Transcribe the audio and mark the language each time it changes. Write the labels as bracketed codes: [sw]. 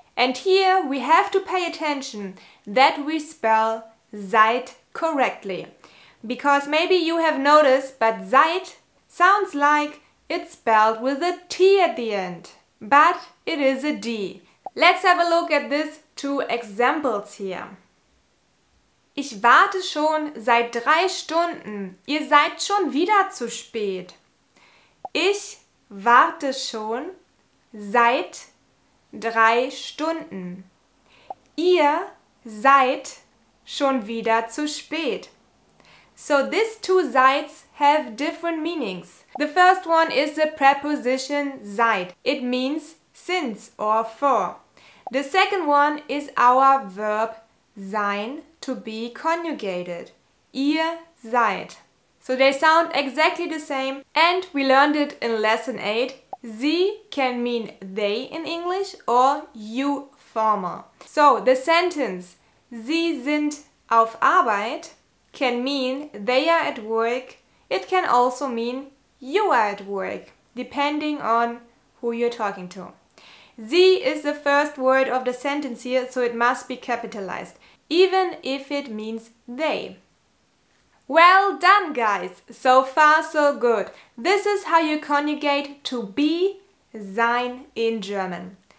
[en] And here we have to pay attention that we spell seid correctly. Because maybe you have noticed, but seid sounds like it's spelled with a T at the end. But it is a D. Let's have a look at this two examples here. [de] Ich warte schon seit 3 Stunden. Ihr seid schon wieder zu spät. Ich warte schon seit 3 Stunden. Ihr seid schon wieder zu spät. [en] So these two seits have different meanings. The first one is the preposition seit. It means since or for. The second one is our verb sein to be conjugated. [de] Ihr seid. [en] So they sound exactly the same and we learned it in lesson 8. Sie can mean they in English or you formal. So the sentence [de] Sie sind auf Arbeit [en] can mean they are at work. It can also mean you are at work depending on who you're talking to. Sie is the first word of the sentence here, so it must be capitalized, even if it means they. Well done, guys! So far, so good. This is how you conjugate to be, sein in German.